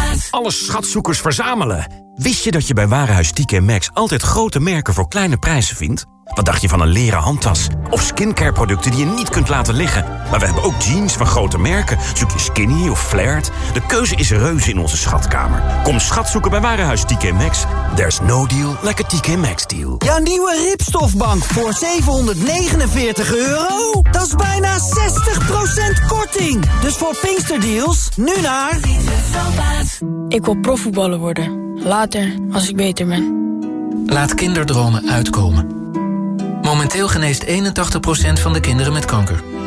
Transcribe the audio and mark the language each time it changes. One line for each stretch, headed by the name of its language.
Dutch: Alle schatzoekers verzamelen. Wist je dat je bij Warenhuis TK Maxx altijd grote merken voor kleine prijzen vindt? Wat dacht je van een leren handtas? Of skincare producten die je niet kunt laten liggen? Maar we hebben ook jeans van grote merken. Zoek je skinny of flared? De keuze is reuze in onze schatkamer. Kom schatzoeken bij Warenhuis TK Maxx.
English: There's no deal like a TK Maxx deal.
Dutch: Jouw nieuwe ripstofbank voor €749? Dat is bijna 60% korting. Dus voor Pinksterdeals, nu naar... Ik wil profvoetballer worden. Later, als ik beter ben. Laat kinderdromen uitkomen. Momenteel geneest 81% van de kinderen met kanker.